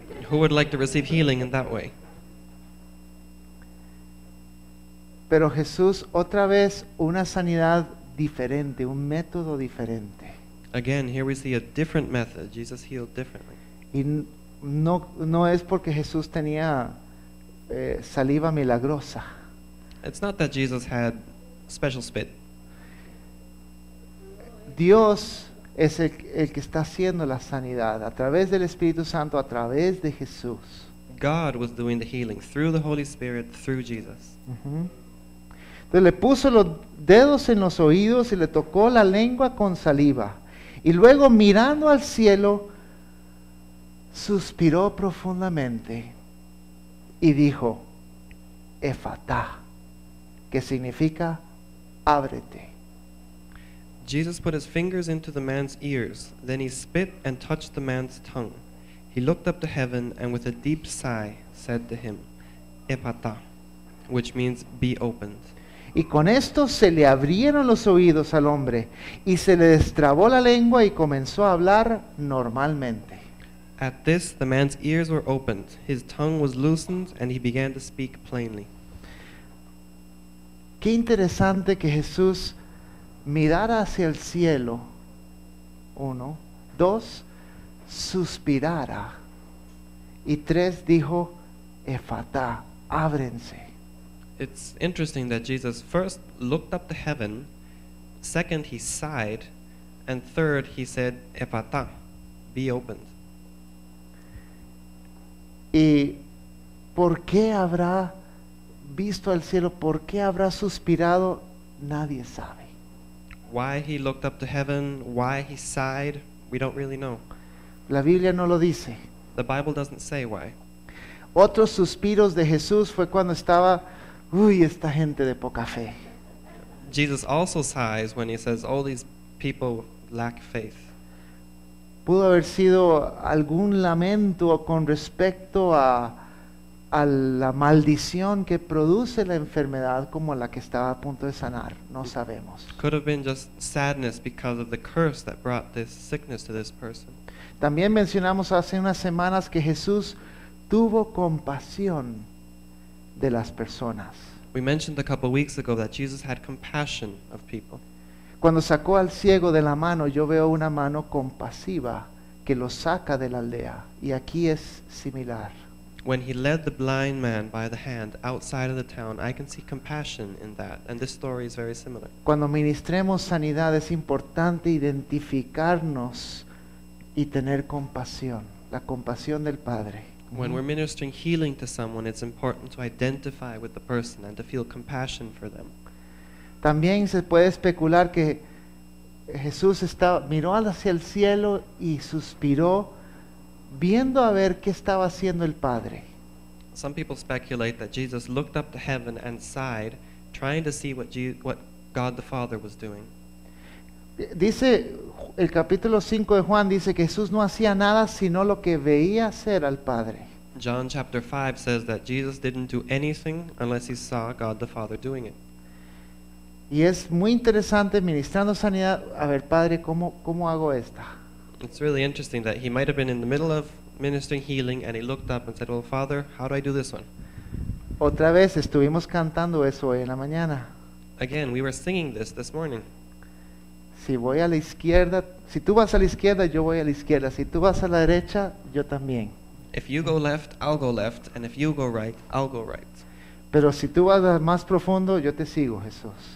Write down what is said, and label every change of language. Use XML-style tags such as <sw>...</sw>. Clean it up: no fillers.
<en>Who would like to receive healing in that way?</en> <es>Pero Jesús, otra vez, una sanidad diferente, un método diferente.</es> <en>Again, here we see a different method. Jesus healed differently.</en> <es>Y no es porque Jesús tenía saliva milagrosa.</es> <en>It's not that Jesus had special spit.</en> <es>Dios es el que está haciendo la sanidad a través del Espíritu Santo, a través de Jesús.</es> <en>God was doing the healing through the Holy Spirit, through Jesus.</en> <es>Entonces le puso los dedos en los oídos y le tocó la lengua con saliva. Y luego, mirando al cielo, suspiró profundamente y dijo, Ephphatha, que significa, ábrete.</es> <en>Jesus put his fingers into the man's ears. Then he spit and touched the man's tongue. He looked up to heaven and with a deep sigh said to him, Ephphatha, which means be opened.</en> <es>Y con esto se le abrieron los oídos al hombre y se le destrabó la lengua y comenzó a hablar normalmente.</es> <en>At this, the man's ears were opened, his tongue was loosened, and he began to speak plainly.</en> <es>Qué interesante que Jesús mirara hacia el cielo, uno, dos, suspirara, y tres, dijo, Ephphatha, ábrense.</es> <en>It's interesting that Jesus first looked up to heaven, second he sighed, and third he said, Ephphatha, be opened.</en> <es>¿Y por qué habrá visto al cielo? ¿Por qué habrá suspirado? Nadie sabe.</es> <en>Why he looked up to heaven, why he sighed, we don't really know.</en> <es>La Biblia no lo dice.</es> <en>The Bible doesn't say why.</en> <es>Otros suspiros de Jesús fue cuando estaba... Uy, esta gente de poca fe.</es> <en>Jesus also sighs when he says all these people lack faith.</en> <es>Pudo haber sido algún lamento con respecto a la maldición que produce la enfermedad como la que estaba a punto de sanar. No sabemos.</es> <en>Could have been just sadness because of the curse that brought this sickness to this person.</en> <es>También mencionamos hace unas semanas que Jesús tuvo compasión de las personas.</es> <en>We mentioned a couple weeks ago that Jesus had compassion of people.</en> <es>Cuando sacó al ciego de la mano, yo veo una mano compasiva que lo saca de la aldea, y aquí es similar.</es> <en>When he led the blind man by the hand outside of the town, I can see compassion in that, and this story is very similar.</en> <es>Cuando ministremos sanidad, es importante identificarnos y tener compasión, la compasión del Padre.</es> <en>When we're ministering healing to someone, it's important to identify with the person and to feel compassion for them.</en> <es>También se puede especular que Jesús estaba, miró hacia el cielo y suspiró, viendo a ver qué estaba haciendo el Padre.</es> <en>Some people speculate that Jesus looked up to heaven and sighed, trying to see what God the Father was doing.</en> <es>Dice el capítulo 5 de Juan, dice que Jesús no hacía nada sino lo que veía hacer al Padre.</es> <en>John chapter 5 says that Jesus didn't do anything unless he saw God the Father doing it.</en> <es>Y es muy interesante ministrando sanidad, a ver Padre, ¿cómo hago esta?</es> <en>It's really interesting that he might have been in the middle of ministering healing and he looked up and said, well Father, how do I do this one?</en> <es>Otra vez estuvimos cantando eso hoy en la mañana.</es> <en>Again, we were singing this morning.</en> <es>Si voy a la izquierda, si tú vas a la izquierda, yo voy a la izquierda. Si tú vas a la derecha, yo también.</es> <en>If you go left, I'll go left. And if you go right, I'll go right.</en> <es>Pero si tú vas más profundo, yo te sigo, Jesús.</es>